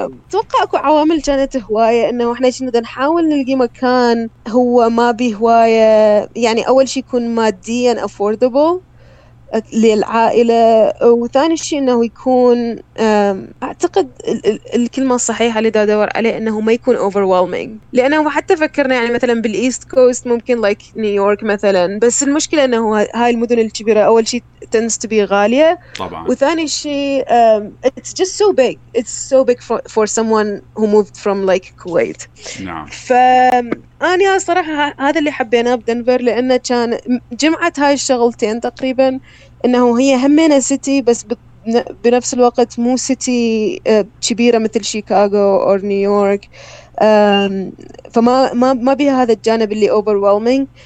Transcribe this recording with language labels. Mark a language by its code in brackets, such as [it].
[ar] توقع أكو عوامل كانت هواية إنه إحنا شندنا نحاول نلقي مكان هو ما بيه هواية, يعني أول شيء يكون ماديا affordable للعائلة, وثاني شيء انه يكون اعتقد الكلمة الصحيحة اللي دا ادور عليه انه ما يكون overwhelming, لانه حتى فكرنا يعني مثلا بالايست كوست ممكن لايك نيويورك مثلا, بس المشكلة انه هاي المدن الكبيرة اول شيء تنس تبي غالية طبعا, وثاني شيء [en] it's just so big, it's so big for someone who moved from like Kuwait. [ar] نعم. فأنا صراحة هذا اللي حبيناه بدنفر لأنه كان جمعت هاي الشغلتين تقريبا, إنه هي همينة سيتي بس بنفس الوقت مو سيتي كبيرة مثل شيكاغو أو نيويورك, فما ما ما بيها هذا الجانب اللي overwhelming.